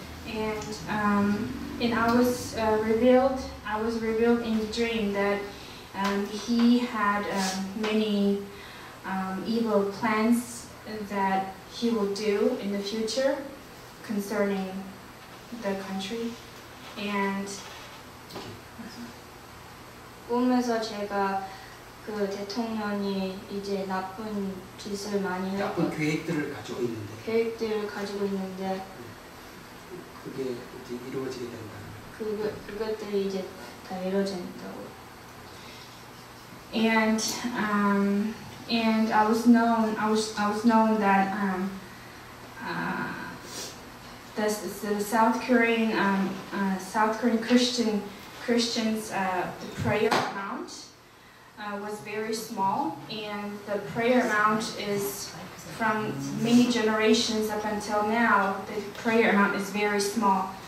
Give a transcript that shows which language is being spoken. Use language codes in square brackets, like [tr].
[en] And I was revealed in the dream that he had many evil plans that he will do in the future concerning the country. And [ko] 꿈에서 제가 그 대통령이 이제 나쁜 짓을 많이 하고 나쁜 계획들을 가지고 있는데 그게 이제 이루어지게 된다. 그것들이 이제 다 이루어진다고. [en] And I was known that the South Korean Christians the prayer amount was very small, and the prayer amount is from many generations up until now, the prayer amount is very small.